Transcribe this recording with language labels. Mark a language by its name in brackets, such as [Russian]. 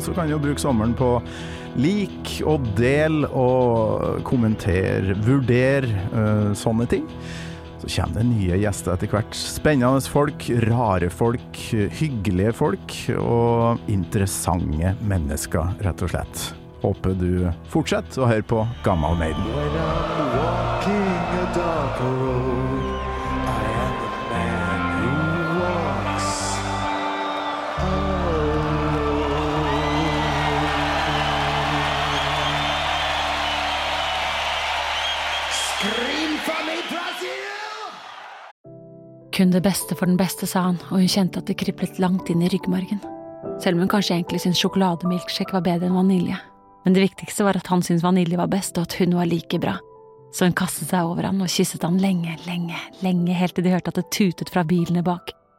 [Norwegian] Så kan du bruke sommeren på lik og del og kommenter, vurder sånne ting. Så kommer det nye gjester etter hvert. Spennende folk, rare folk, hyggelige folk og interessante mennesker rett og slett. Håper du fortsetter å høre på Gammal Maiden. [English] When I'm walking a darker road, I am the man who walks alone. Scream for me, Brazil! [Norwegian] Kun det beste for den beste, sa han, og hun kjente at det kriblet langt inn i ryggmargen. Selv om hun kanskje egentlig syntes sjokolademilksjekk var bedre enn vanilje. Men det viktigste var at han syntes vanilje var best, og at hun var like bra. Så hun kastet seg over ham og kysset ham lenge, lenge, lenge, helt til de hørte at det tutet fra bilene bak.